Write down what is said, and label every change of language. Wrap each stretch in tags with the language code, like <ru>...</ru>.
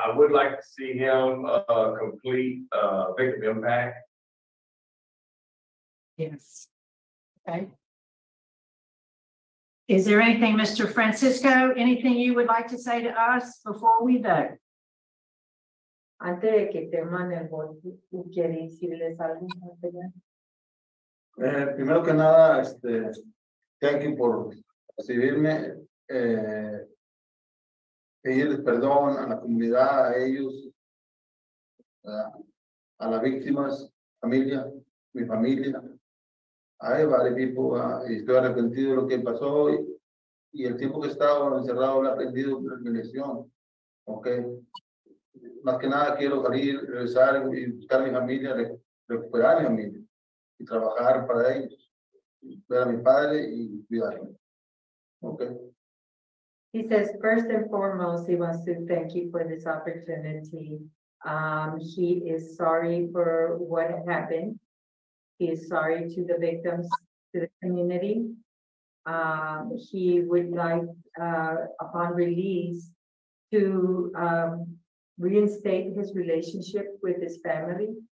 <en>I would like to see him complete victim impact. Yes. Okay. Is there anything, Mr. Francisco, anything you would like to say to us before we vote?</en> <es>Antes de que termine el voto, ¿quiere decirles algo? Primero que nada,</es> <en>thank you</en> <es>por recibirme. Pedirles perdón a la comunidad, a ellos, a las víctimas, familia, mi familia. Hay varios tipos, estoy arrepentido de lo que pasó y el tiempo que estaba encerrado he aprendido mi lección. Okay. Más que nada quiero salir, regresar y buscar a mi familia, recuperar a mi familia y trabajar para ellos, ver a mi padre y cuidarme. Okay.</es> <en>He says, first and foremost, he wants to thank you for this opportunity. He is sorry for what happened. He is sorry to the victims, to the community. He would like, upon release, to reinstate his relationship with his family.</en>